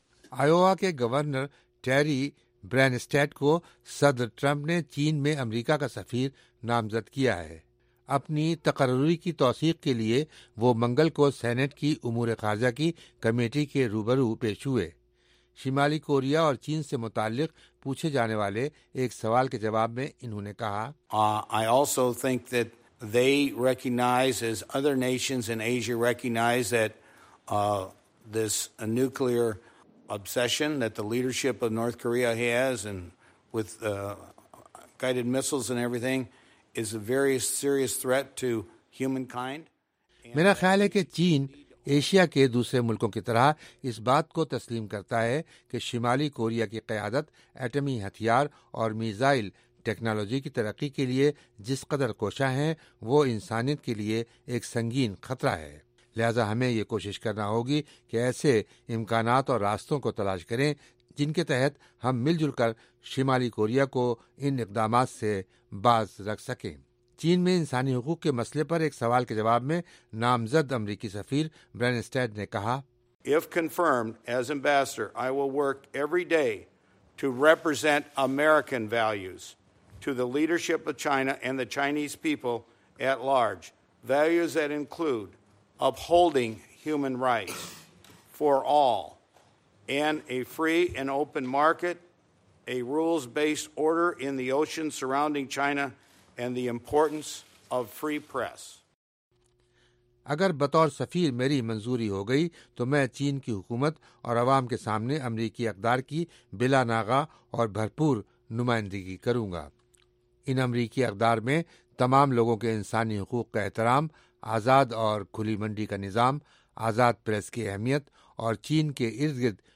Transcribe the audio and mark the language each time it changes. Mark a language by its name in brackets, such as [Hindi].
[Urdu] آیووا کے governor Terry برینسٹیڈ کو صدر ٹرمپ نے چین میں امریکہ کا سفیر نامزد کیا ہے. اپنی تقرری کی توثیق کے لیے وہ منگل کو سینٹ کی امور خارجہ کی کمیٹی کے روبرو پیش ہوئے. شمالی کوریا اور چین سے متعلق پوچھے جانے والے ایک سوال کے جواب میں انہوں نے کہا، [English] I also think that they recognize as other nations in Asia recognize that this nuclear obsession that the leadership of North Korea has and with guided missiles and everything is a very serious threat to humankind. [Urdu] میرا خیال ہے کہ چین Asia کے دوسرے ملکوں کی طرح اس بات کو تسلیم کرتا ہے کہ شمالی کوریا کی قیادت ایٹمی ہتھیار اور میزائل ٹیکنالوجی کی ترقی کے لیے جس قدر کوشاں ہیں وہ انسانیت کے لیے ایک سنگین خطرہ ہے. لہذا ہمیں یہ کوشش کرنا ہوگی کہ ایسے امکانات اور راستوں کو تلاش کریں جن کے تحت ہم مل جل کر شمالی کوریا کو ان اقدامات سے باز رکھ سکیں. چین میں انسانی حقوق کے مسئلے پر ایک سوال کے جواب میں نامزد امریکی سفیر برینسٹیڈ نے کہا، [English] If confirmed as ambassador, I will work every day to represent American values to the leadership of China and the Chinese people at large. Values that include upholding human rights for all and a free and open market, a rules-based order in the ocean surrounding China, and the importance of free press. [Urdu] اگر بطور سفیر میری منظوری ہو گئی تو میں چین کی حکومت اور عوام کے سامنے امریکی اقدار کی بلا ناغہ اور بھرپور نمائندگی کروں گا. ان امریکی اقدار میں تمام لوگوں کے انسانی حقوق کا احترام، آزاد اور کھلی منڈی کا نظام، آزاد پریس کی اہمیت اور چین کے ارد گرد